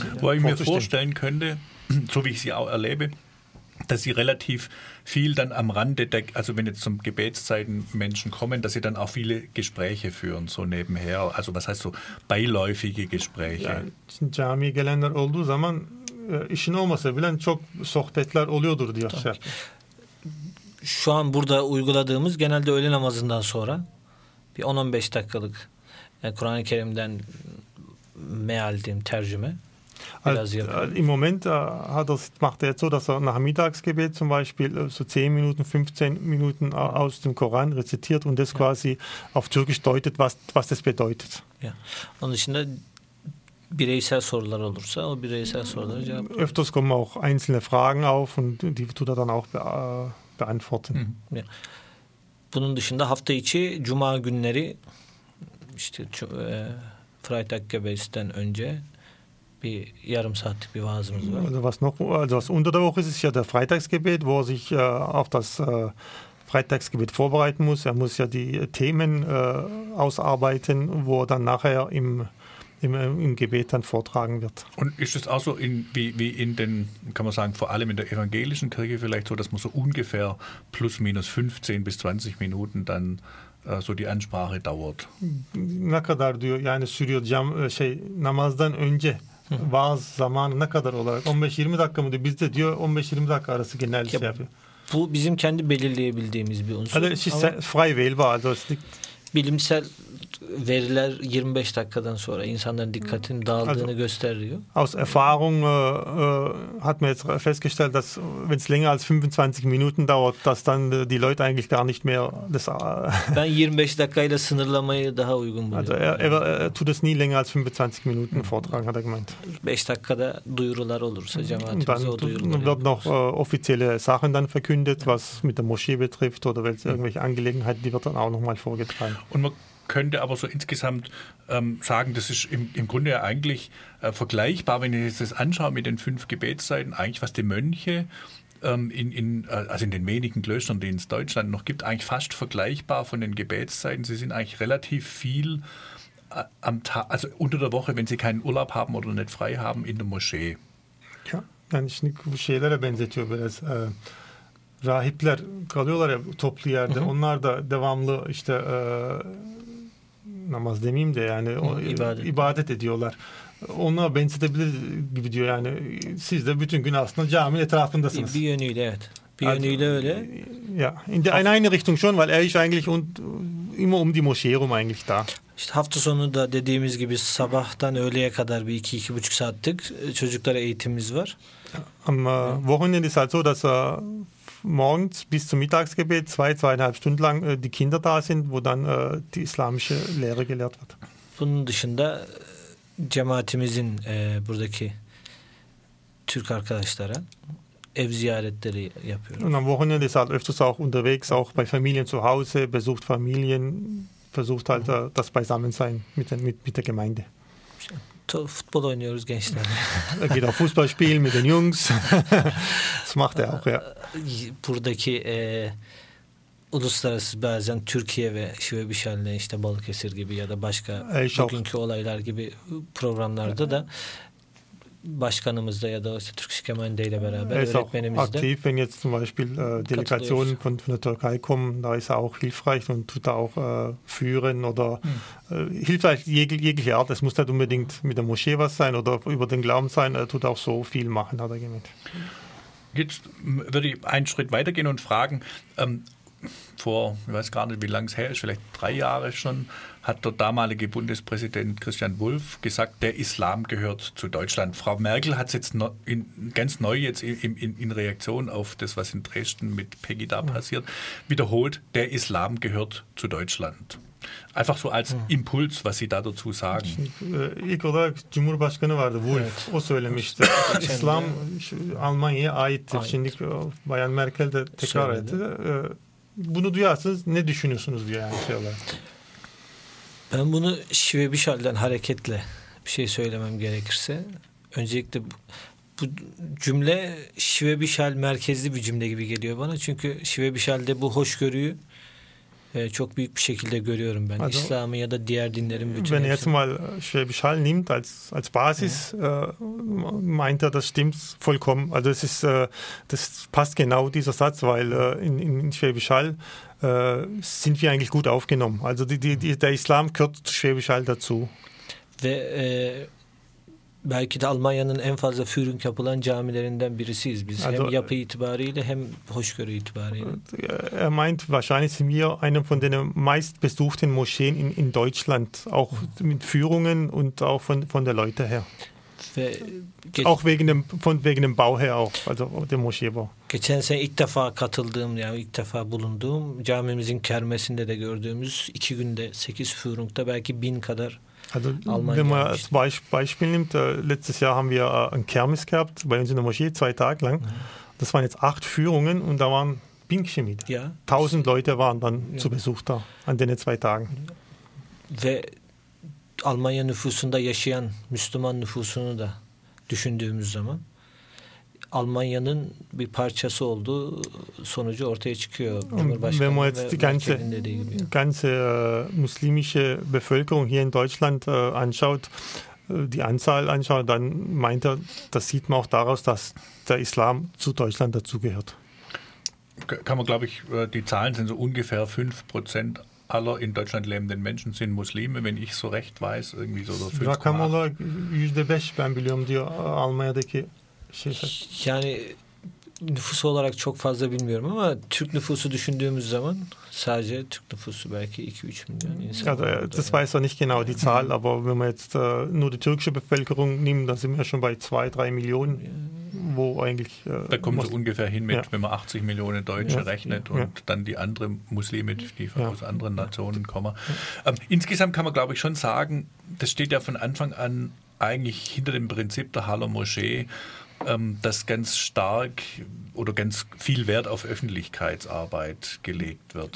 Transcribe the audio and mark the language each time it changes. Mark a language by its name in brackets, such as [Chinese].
[German] sein. Wo ich mir vorstellen könnte, so wie ich sie auch erlebe, dass sie relativ viel dann am Rande, also wenn jetzt zum Gebetszeiten Menschen kommen, dass sie dann auch viele Gespräche führen, so nebenher. Also was heißt so beiläufige Gespräche? [Turkish] Ja, cami gelenler olduğu zaman işin olmasa bile çok sohbetler oluyordur diyor. Şu an burada uyguladığımız genelde öğle namazından sonra bir 10-15 dakikalık Kur'an-ı Kerim'den meal diyeyim, tercüme. [German] Im Moment macht er so, dass er nach Mittagsgebet zum Beispiel so 10 Minuten, 15 Minuten aus dem Koran rezitiert und das quasi auf Türkisch deutet, was das bedeutet. Ja. Und ich finde, [Turkish] bireysel sorular olursa, o bireysel soruları cevaplıyor. [German] Öfters kommen auch einzelne Fragen auf und die tut er dann auch beantworten. Ja. [Turkish] Bunun dışında hafta içi cuma günleri işte Freitag Gebet'ten önce bir yarım saatlik bir vaazımız var. [German] Also was noch, also was unter der Woche ist, ist ja der Freitagsgebet, wo er sich auf das Freitagsgebet vorbereiten muss. Er muss ja die Themen ausarbeiten, wo er dann nachher im Gebet dann vortragen wird. Und ist es auch so wie in den, kann man sagen, vor allem in der evangelischen Kirche vielleicht so, dass man so ungefähr plus minus 15 bis 20 Minuten dann so die Ansprache dauert? [Turkish] Ne kadar diyor, yani sürüyor cam, şey, namazdan önce vaaz zamanı ne kadar olarak 15-20 dakika mı diyor? Bizde diyor 15-20 dakika arası genel şey yapıyor. Bu bizim kendi belirleyebildiğimiz bir unsur. Hadi siz [German] frei wählbar, also [Turkish] bilimsel veriler 25 dakikadan sonra insanların dikkatinin dağıldığını also, gösteriyor. [German] Aus Erfahrung hat man jetzt festgestellt, dass wenn es länger als 25 Minuten dauert, dass dann die Leute eigentlich gar nicht mehr das [Turkish] ben 25 dakikayla sınırlamayı daha uygun buluyorum. [German] Also er tut es nie länger als 25 Minuten vortragen, hat er gemeint. [Turkish] 5 dakikada duyurular olursa cemaatimize [German] dann [Turkish] o duyurular. [German] Wird noch offizielle Sachen dann verkündet, was mit der Moschee betrifft oder welche irgendwelche Angelegenheiten, die wird dann auch nochmal vorgetragen. Und könnte aber so insgesamt sagen, das ist im Grunde ja eigentlich vergleichbar, wenn ich das anschaue mit den 5 Gebetszeiten, eigentlich was die Mönche also in den wenigen Klöstern, die es Deutschland noch gibt, eigentlich fast vergleichbar von den Gebetszeiten. Sie sind eigentlich relativ viel am Tag, also unter der Woche, wenn sie keinen Urlaub haben oder nicht frei haben, in der Moschee. Ja, dann ist nicht schädere, wenn sie über das [Turkish] rahipler kalıyorlar ya toplu yerde. Hı hı. Onlar da devamlı işte namaz demeyeyim de yani ibadet ediyorlar. Ona benzetebilir gibi diyor yani. Siz de bütün gün aslında caminin etrafındasınız. Bir yönüyle evet. Bir yönüyle öyle. [German] Ya, in der eine Richtung schon, weil er ist eigentlich und immer um die Moschee rum eigentlich da. [Turkish] İşte hafta sonu da dediğimiz gibi sabahtan öğleye kadar bir iki, iki buçuk saatlik çocuklara eğitimimiz var. [German] Ama Wochenende ist halt so, dass morgens bis zum Mittagsgebet zweieinhalb Stunden lang die Kinder da sind, wo dann die islamische Lehre gelehrt wird. [Turkish] Bunun dışında cemaatimizin buradaki Türk arkadaşlara ev ziyaretleri yapıyoruz. [German] Und am Wochenende ist halt öfters auch unterwegs, auch bei Familien zu Hause, besucht Familien, versucht halt das Beisammensein mit der Gemeinde. [Turkish] Futbol oynuyoruz gençler. [German] Geht auf Fußballspiel mit den Jungs. Das macht er auch, ja. [Turkish] Buradaki uluslararası bazen Türkiye ve Şivebişen'le işte Balıkesir gibi ya da başka bugünkü olaylar gibi programlarda da başkanımızla ya da işte Türk Şikemende ile beraber öğretmenimizle [German] aktiv, wenn jetzt zum Beispiel Delegationen von der Türkei kommen, da ist er auch hilfreich und tut da auch führen oder hilfreich jegliche Art. Es muss nicht unbedingt mit der Moschee was sein oder über den Glauben sein, er tut auch so viel machen, hat er gemeint. Jetzt würde ich einen Schritt weitergehen und fragen, vor, ich weiß gar nicht, wie lange es her ist, vielleicht 3 Jahre schon, hat der damalige Bundespräsident Christian Wulff gesagt, der Islam gehört zu Deutschland. Frau Merkel hat es jetzt ganz neu jetzt in Reaktion auf das, was in Dresden mit Pegida passiert, wiederholt, der Islam gehört zu Deutschland. Einfach so als Impuls, was Sie da dazu sagen. [Turkish] İlk olarak Cumhurbaşkanı vardı, Wolf. Evet. O söylemişti. İslam Almanya'ya aittir. Ait. Şimdi Bayan Merkel de tekrar etti. Bunu duyarsınız, ne düşünüyorsunuz diye yani şeyler. Ben bunu Şivebişal'den hareketle bir şey söylemem gerekirse. Öncelikle bu cümle Şivebişal merkezli bir cümle gibi geliyor bana. Çünkü Şivebişal'de bu hoşgörüyü çok büyük bir şekilde görüyorum ben. Also, İslam'ı ya da diğer dinlerin bütün hepsini. [German] Wenn er mal Schwäbisch-Hall nimmt als Basis, meint er, das stimmt vollkommen. Also es ist, das passt genau dieser Satz, weil in Schwäbisch-Hall sind wir eigentlich gut aufgenommen. Also der Islam gehört zu Schwäbisch-Hall dazu. [Turkish] Ve belki de Almanya'nın en fazla führung yapılan camilerinden birisiyiz biz. Also, hem yapı itibariyle hem hoşgörü itibariyle. [German] Er meint, wahrscheinlich sind wir einer von den meistbesuchten Moscheen in Deutschland. Auch mit Führungen und auch von der Leute her. Auch wegen dem Bauherr auch, also der Moscheebau. [Turkish] Geçen sene ilk defa katıldığım, yani ilk defa bulunduğum camimizin kermesinde de gördüğümüz 2 günde 8 führungda belki 1000 kadar. [German] Also wenn man als Beispiel nimmt, letztes Jahr haben wir ein Kermis gehabt bei uns in der Moschee, 2 Tage lang. Das waren jetzt 8 Führungen und da waren Pinkchen mit. Ja. 1000 Leute waren dann zu Besuch da an den 2 Tagen. [Turkish] Ve Almanya nüfusunda yaşayan Müslüman nüfusunu da düşündüğümüz zaman Almanya'nın bir parçası olduğu sonucu ortaya çıkıyor. [German] Wenn man jetzt die ganze muslimische Bevölkerung hier in Deutschland anschaut, die Anzahl anschaut, dann meint er, das sieht man auch daraus, dass der Islam zu Deutschland dazugehört. Kann man, glaube ich, die Zahlen sind so ungefähr 5% aller in Deutschland lebenden Menschen sind Muslime, wenn ich so recht weiß, irgendwie so. [Turkish] Rakam olarak %5 ben biliyorum diyor Almanya'daki. Yani nüfus olarak çok fazla bilmiyorum ama Türk nüfusu düşündüğümüz zaman sadece Türk nüfusu belki 2-3 milyon insan. [German] Ja, das weiß er nicht genau die Zahl, aber wenn man jetzt nur die türkische Bevölkerung nimmt, dann sind wir schon bei 2-3 Millionen, wo eigentlich da kommt es ungefähr hin mit, wenn man 80 Millionen Deutsche rechnet und dann die anderen Muslime, die aus anderen Nationen kommen. Insgesamt kann man, glaube ich, schon sagen, das steht ja von Anfang an eigentlich hinter dem Prinzip der Haller Moschee, dass ganz stark oder ganz viel Wert auf Öffentlichkeitsarbeit gelegt wird.